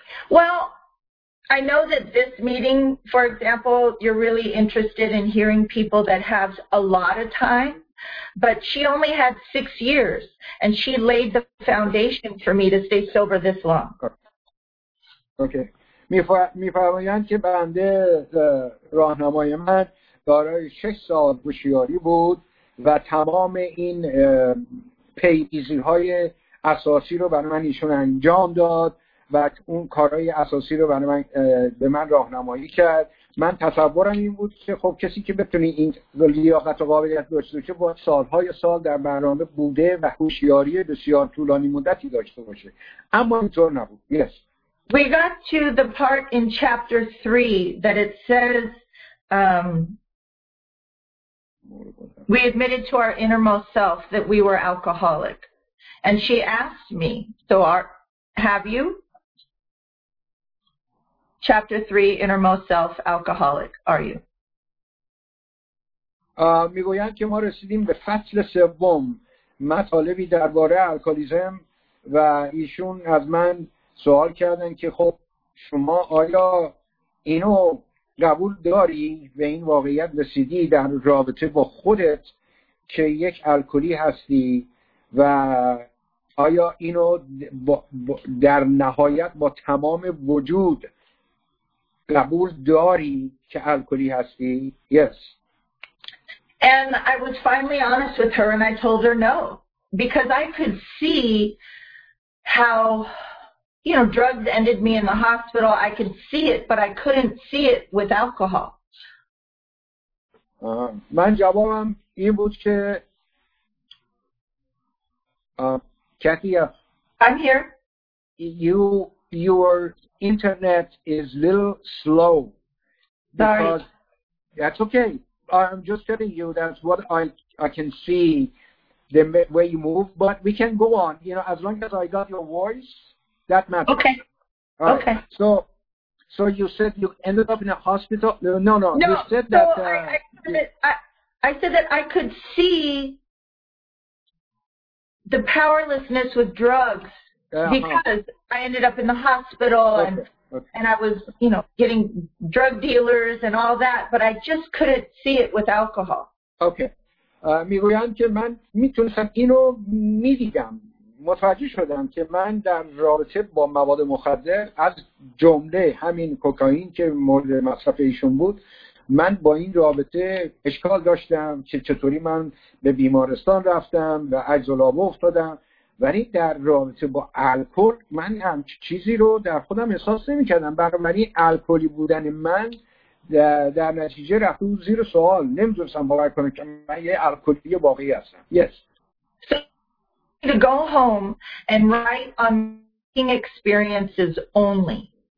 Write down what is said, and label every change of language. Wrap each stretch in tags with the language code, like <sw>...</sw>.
<en>Well, I know that this meeting, for example, you're really interested in hearing people that have a lot of time, but she only had 6 years, and she laid the foundation for me to stay sober this long. Okay.</en> <fa>می‌فرمایند که بنده راهنمای من دارای 6 سال هوشیاری بود و تمام این پیگیری‌های اساسی رو برای من ایشون انجام داد و اون کارهای اساسی رو برای من به من راهنمایی کرد. من تصورم این بود که خب کسی که بتونه این لیاقت و قابلیت داشته باشه باید سالهای سال در برنامه بوده و هوشیاری بسیار طولانی مدتی داشته باشه، اما اینطور نبود.</fa> <en>Yes. We got to the part in chapter 3 that it says we admitted to our innermost self that we were alcoholic. And she asked me, so have you? Chapter 3, innermost self, alcoholic, are you?</en> <fa>میگویند که ما رسیدیم به فصل سوم، مطالبی درباره الکلیزم، و ایشون از من سوال کردن که خب شما آیا اینو قبول داری و این واقعیت رسیدی در رابطه با خودت که یک الکلی هستی و آیا اینو در نهایت با تمام وجود قبول داری که الکلی هستی؟</fa> <en>Yes. And I was finally honest with her and I told her no, because I could see how, you know, drugs ended me in the hospital. I could see it, but I couldn't see it with alcohol.</en> <fa>من جوابم این بود که Kathy,</fa> <en>I'm here. Your internet is a little slow. Sorry. That's okay. I'm just telling you that's what I can see the way you move, but we can go on. You know, as long as I got your voice, that matters. Okay. All okay. Right. So you said you ended up in a hospital? No. You said so that. I said that I could see the powerlessness with drugs because I ended up in the hospital and I was, you know, getting drug dealers and all that, but I just couldn't see it with alcohol. Okay.</en> <fa>میگویند که من میتونستم اینو میدیدم. متوجه شدم که من در رابطه با مواد مخدر از جمله همین کوکائین که مورد مصرف ایشون بود، من با این رابطه اشکال داشتم که چطوری من به بیمارستان رفتم و عجز العابه افتادم، ولی در رابطه با الکل من هم چیزی رو در خودم احساس نمی کردم. برای الکلی بودن من در نتیجه رفت اون زیر سوال. نمی دونستم باور کنم که من یه الکلی واقعی هستم.</fa> <en>Yes. To go home and write on drinking experiences only.</en>